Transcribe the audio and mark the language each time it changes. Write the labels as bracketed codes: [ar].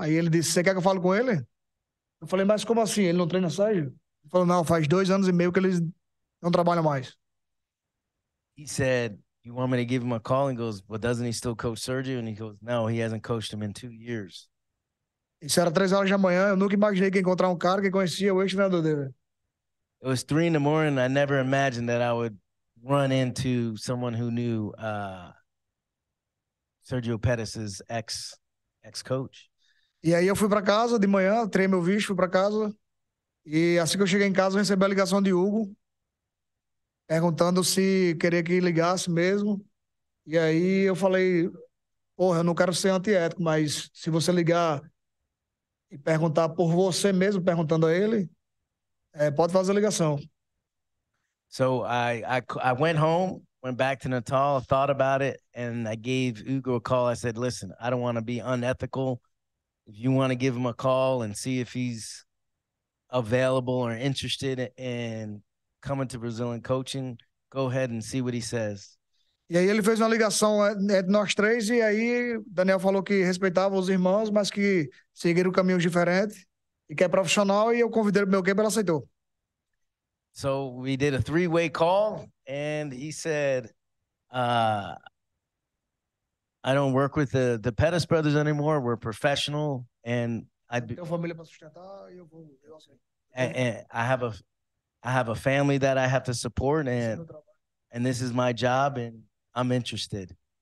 [pt] Aí ele disse, você quer que eu fale com ele? Eu falei, mas como assim? Ele não treina Sérgio? Ele falou, não, faz 2 anos e meio que eles não trabalham mais. [en] He said, you want me to give him a call? And goes, but doesn't he still coach Sergio? And he goes, no, he hasn't coached him in 2 years. [pt] Isso era 3 horas da manhã. Eu nunca imaginei que encontrar um cara que conhecia o ex-treinador dele. [en] It was 3 in the morning. I never imagined that I would run into someone who knew Sergio Pettis' ex-coach. [pt] E aí eu fui pra casa de manhã, treinei meu visto, fui pra casa. E assim que eu cheguei em casa, eu recebi a ligação de Hugo, perguntando se queria que ligasse mesmo. E aí eu falei, porra, eu não quero ser antiético, mas se você ligar e perguntar por você mesmo, perguntando a ele, pode fazer a ligação. [en] So I went home, went back to Natal, thought about it, and I gave Hugo a call. I said, listen, I don't want to be unethical. If you want to give him a call and see if he's available or interested in coming to Brazil and coaching, go ahead and see what he says. [pt] E aí ele fez uma ligação entre nós três, e aí Daniel falou que respeitava os irmãos, mas que seguiram caminhos diferentes, e que é profissional, e eu convidei o meu campo, ele aceitou. [en] So we did a 3-way call, and he said, I don't work with the Pettis brothers anymore. We're professional, and I have a family that I have to support, and this is my job, and I'm interested.